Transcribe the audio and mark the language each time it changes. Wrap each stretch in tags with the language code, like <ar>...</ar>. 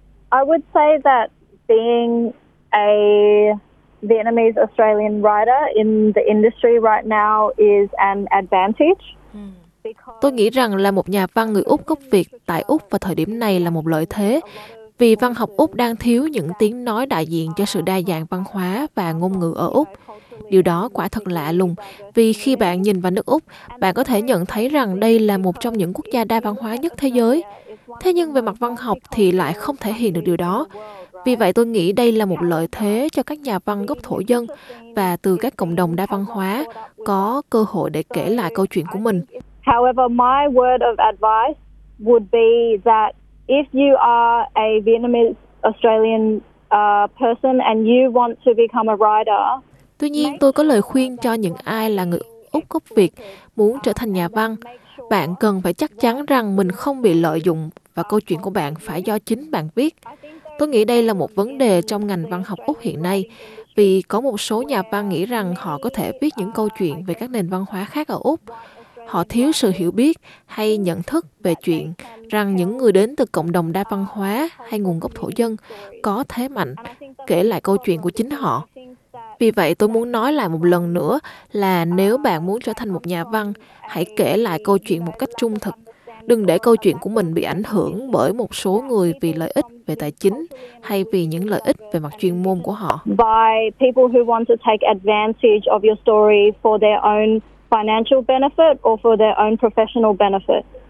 <en>I would say that being a Vietnamese Australian writer in the industry right now is an advantage.</en> <vi>Tôi nghĩ rằng là một nhà văn người Úc gốc Việt tại Úc vào thời điểm này là một lợi thế, vì văn học Úc đang thiếu những tiếng nói đại diện cho sự đa dạng văn hóa và ngôn ngữ ở Úc. Điều đó quả thật lạ lùng, vì khi bạn nhìn vào nước Úc, bạn có thể nhận thấy rằng đây là một trong những quốc gia đa văn hóa nhất thế giới. Thế nhưng về mặt văn học thì lại không thể hiện được điều đó. Vì vậy tôi nghĩ đây là một lợi thế cho các nhà văn gốc thổ dân và từ các cộng đồng đa văn hóa có cơ hội để kể lại câu chuyện của mình.</vi> <en>However, my word of advice would be that if you are a Vietnamese Australian person and you want to become a writer.</en> <vi>Tuy nhiên, tôi có lời khuyên cho những ai là người Úc gốc Việt muốn trở thành nhà văn. Bạn cần phải chắc chắn rằng mình không bị lợi dụng và câu chuyện của bạn phải do chính bạn viết. Tôi nghĩ đây là một vấn đề trong ngành văn học Úc hiện nay, vì có một số nhà văn nghĩ rằng họ có thể viết những câu chuyện về các nền văn hóa khác ở Úc. Họ thiếu sự hiểu biết hay nhận thức về chuyện rằng những người đến từ cộng đồng đa văn hóa hay nguồn gốc thổ dân có thế mạnh kể lại câu chuyện của chính họ. Vì vậy, tôi muốn nói lại một lần nữa là nếu bạn muốn trở thành một nhà văn, hãy kể lại câu chuyện một cách trung thực. Đừng để câu chuyện của mình bị ảnh hưởng bởi một số người vì lợi ích về tài chính hay vì những lợi ích về mặt chuyên môn của họ.</vi> <en>By people who want to take advantage of your story for their own financial benefit or for their own professional benefit.</en>